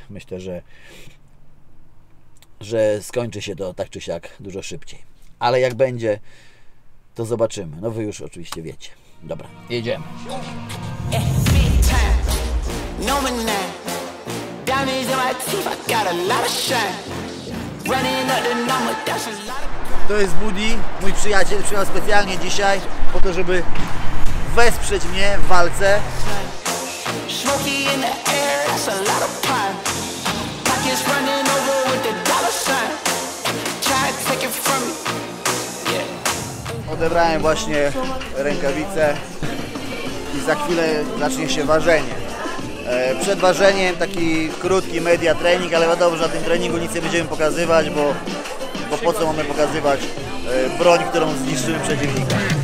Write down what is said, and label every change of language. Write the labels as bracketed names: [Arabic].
[Polish] Myślę, że skończy się to tak czy siak dużo szybciej. Ale jak będzie, to zobaczymy. No wy już oczywiście wiecie. Dobra, jedziemy. [English] No man, diamonds in my teeth, I got a lot of shine. Running up the number, that's a lot of. [Polish] To jest Budi, mój przyjaciel, przyjechał specjalnie dzisiaj po to, żeby wesprzeć mnie w walce. [English] Smoky in the air, that's a lot of pine. Pockets running over with the dollar sign. Try to take it from me. Yeah. [Polish] Odebrałem właśnie rękawice i za chwilę zacznie się ważenie. Przed ważeniem taki krótki media trening, ale wiadomo, że na tym treningu nic nie będziemy pokazywać, bo po co mamy pokazywać broń, którą zniszczymy przeciwnika.